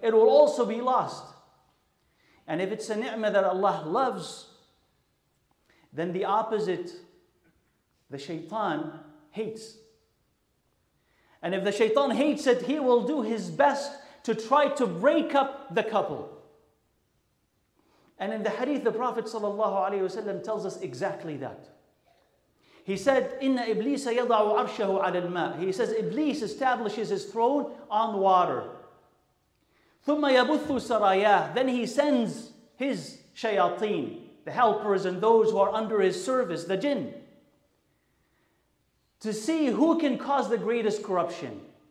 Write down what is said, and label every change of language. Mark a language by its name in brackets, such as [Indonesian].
[English] It will also be lost. And if it's a ni'mah that Allah loves, then the opposite, the shaitan, hates. And if the shaitan hates it, he will do his best to try to break up the couple. And in the hadith, the Prophet ﷺ tells us exactly that. He said, [Arabic] إِنَّ إِبْلِيسَ يَضَعُ عَرْشَهُ عَلَى الْمَاءِ. [English] He says, Iblis establishes his throne on water. [Arabic] ثُمَّ يَبُثُّ سَرَيَاهُ. [English] Then he sends his shayateen, the helpers and those who are under his service, the jinn, to see who can cause the greatest corruption.